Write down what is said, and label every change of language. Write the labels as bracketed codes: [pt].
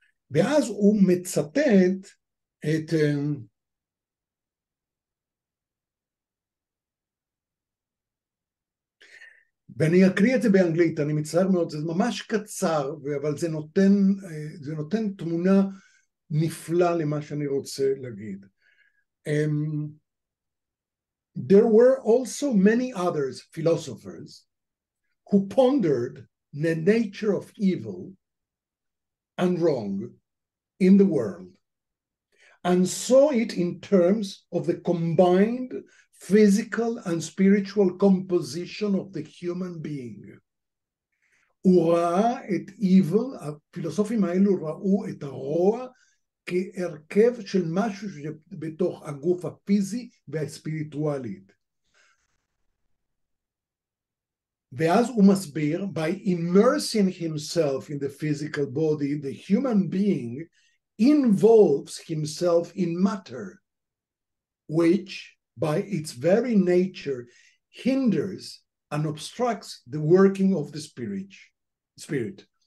[he] ואז הוא מצטט את ואני אקריא את זה באנגלית, אני מצטער מאוד, זה ממש קצר, אבל זה נותן תמונה נפלא למה שאני רוצה להגיד. [en] There were also many others philosophers who pondered the nature of evil and wrong in the world and saw it in terms of the combined physical and spiritual composition of the human being. [he] הוא ראה את evil, הפילוסופים האלו ראו את הרוע כהרכב של משהו שבתוך הגוף הפיזי והספיריטואלית. ואז הוא מסביר, [en] by immersing himself in the physical body, the human being involves himself in matter, which by its very nature hinders and obstructs the working of the spirit.